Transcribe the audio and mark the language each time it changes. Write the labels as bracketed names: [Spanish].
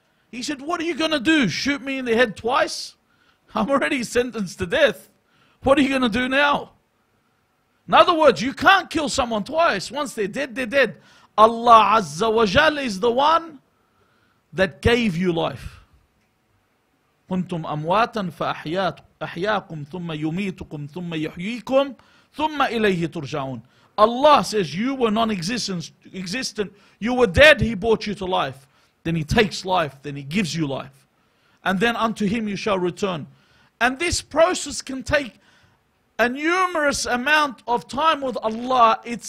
[English] He said, what are you going to do? Shoot me in the head twice? I'm already sentenced to death. What are you going to do now? In other words, you can't kill someone twice. Once they're dead, they're dead. Allah Azza wa Jal is the one that gave you life. [Arabic] كنتم أمواتا فأحياكم ثم يميتكم ثم يحييكم ثم إليه ترجعون. [English] Allah says, you were non-existent, you were dead, he brought you to life. Then he takes life, then he gives you life. And then unto him you shall return. And this process can take a numerous amount of time with Allah.